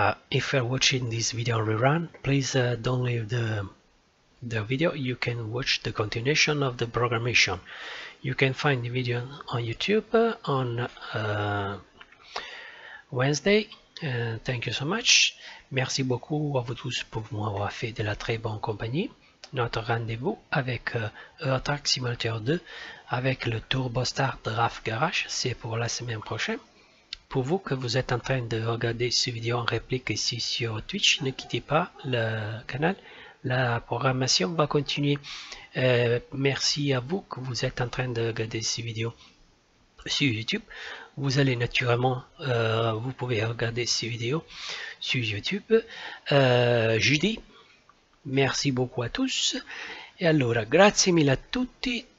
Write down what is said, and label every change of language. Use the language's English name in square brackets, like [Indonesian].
[English] If you're watching this video rerun, please don't leave the video. You can watch the continuation of the programmation. You can find the video on YouTube on Wednesday. Thank you so much. [French] Merci beaucoup à vous tous pour m'avoir fait de la très bonne compagnie. Notre rendez-vous avec Euro Truck Simulator 2 avec le Turbo Star Draft Garage, c'est pour la semaine prochaine. Pour vous que vous êtes en train de regarder ce vidéo en réplique ici sur Twitch, ne quittez pas le canal, la programmation va continuer. Merci à vous que vous êtes en train de regarder ces vidéos sur YouTube. Vous allez naturellement, vous pouvez regarder ces vidéos sur YouTube. Jeudi, merci beaucoup à tous. Et alors, [Italian] grazie mille à tutti.